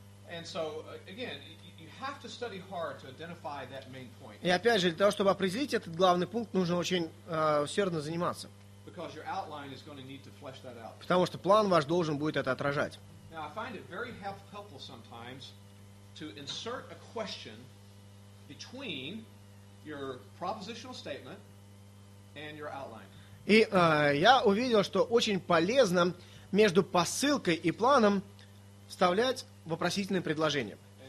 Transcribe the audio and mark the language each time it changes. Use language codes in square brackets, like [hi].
[en] And so, again, you have to study hard to identify that main point. [ru] И опять же, для того, чтобы определить этот главный пункт, нужно очень усердно заниматься. [en] Because your outline is going to need to flesh that out. [ru] Потому что план ваш должен будет это отражать. [en] Now, I find it very helpful sometimes to insert a question between your propositional statement and your outline. [ru] И я увидел, что очень полезно между посылкой и планом вставлять вопросительное предложение.